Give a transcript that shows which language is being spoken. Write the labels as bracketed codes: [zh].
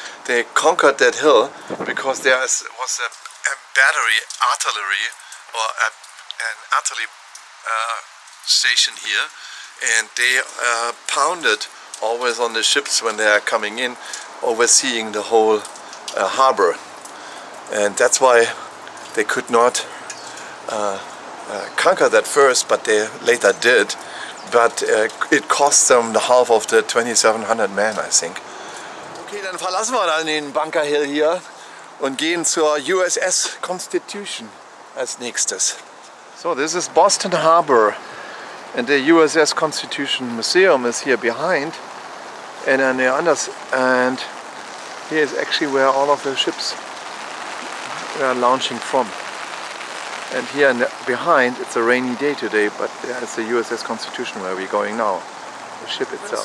[en] They conquered that hill because there was a battery artillery or an artillery station here, and they pounded always on the ships when they are coming in, overseeing the whole harbor, and that's why they could not conquer that first, but they later did. But it cost them the half of the 2,700 men, I think. [de] Okay, dann verlassen wir dann den Bunker Hill hier und gehen zur USS Constitution als nächstes. [en] So, this is Boston Harbor, and the USS Constitution Museum is here behind, and on the other and here is actually where all of the ships are launching from. And here behind, it's a rainy day today, but it's the USS Constitution where we're going now, the ship itself.